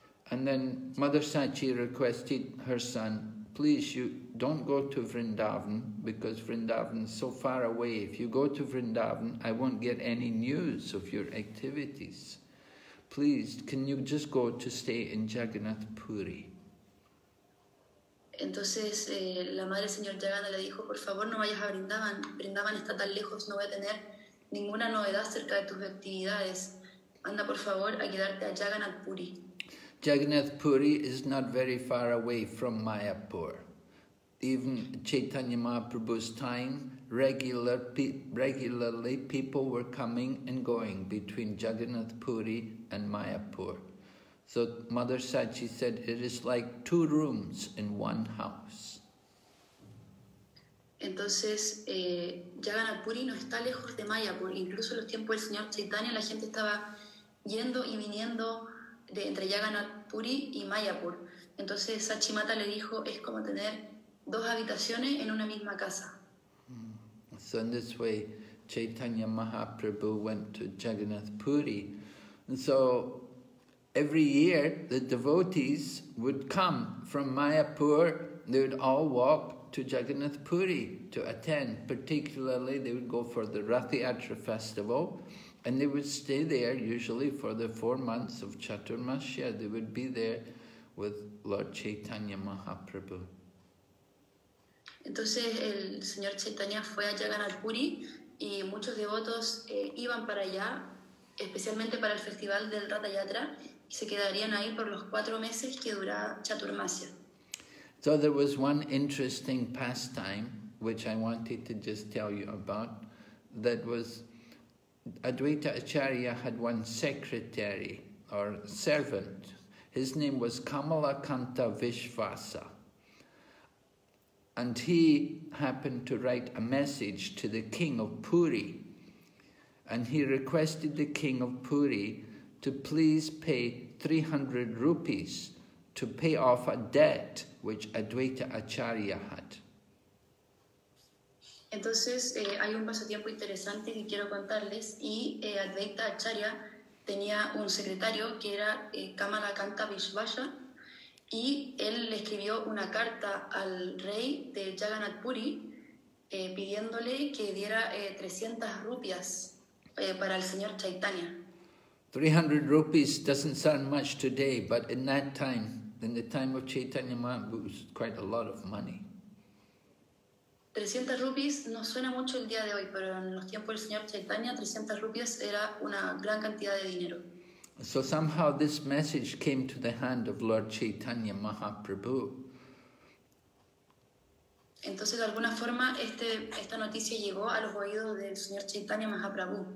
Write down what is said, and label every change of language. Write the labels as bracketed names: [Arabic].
[English] And then Mother Sachi requested her son, please, you don't go to Vrindavan, because Vrindavan is so far away. If you go to Vrindavan, I won't get any news of your activities. Please, can you just go to stay in Jagannath Puri? [Spanish] Entonces la madre señor Jagannath le dijo, por favor, no vayas a Vrindavan. Vrindavan está tan lejos, no voy a tener ninguna novedad acerca de tus actividades. Anda, por favor, a quedarte a Jagannath Puri. [English] Jagannath Puri is not very far away from Mayapur. Even Chaitanya Mahaprabhu's time, regularly people were coming and going between Jagannath Puri and Mayapur. So Mother Sachi said, it is like two rooms in one house. [Spanish] Entonces, Jagannath Puri no está lejos de Mayapur. Incluso en los tiempos del señor Chaitanya, la gente estaba yendo y viniendo de entre Jagannath Puri y Mayapur. Entonces Sachi Mata le dijo, es como tener dos habitaciones en una misma casa. [English] So in this way, Chaitanya Mahaprabhu went to Jagannath Puri. And so every year the devotees would come from Mayapur, they would all walk to Jagannath Puri to attend. Particularly they would go for the Rath Yatra festival. And they would stay there usually for the 4 months of Chaturmasya. They would be there with Lord Chaitanya Mahaprabhu. [Spanish] Entonces el señor Chaitanya fue a Jagannath Puri y muchos devotos iban para allá, especialmente para el festival del Ratha Yatra, y se quedarían ahí por los 4 meses que dura Chaturmasya. [English] So there was one interesting pastime which I wanted to just tell you about that was. Advaita Acharya had one secretary or servant. His name was Kamalakanta Vishvasa. And he happened to write a message to the king of Puri. And he requested the king of Puri to please pay 300 rupees to pay off a debt which Advaita Acharya had. [Spanish] Entonces hay un pasatiempo interesante que quiero contarles y Advaita Acharya tenía un secretario que era Kamala Kanta Vishvasha, y él le escribió una carta al rey de Jagannath Puri pidiéndole que diera 300 rupias para el señor Chaitanya. [English] 300 rupees doesn't sound much today, but in that time, in the time of Chaitanya Mahaprabhu, it was quite a lot of money. [Spanish] 300 rupees no suena mucho el día de hoy, pero en los tiempos del señor Chaitanya, 300 rupias era una gran cantidad de dinero. [English] So somehow this message came to the hand of Lord Chaitanya Mahaprabhu. [Spanish] Entonces, de alguna forma, esta noticia llegó a los oídos del señor Chaitanya Mahaprabhu.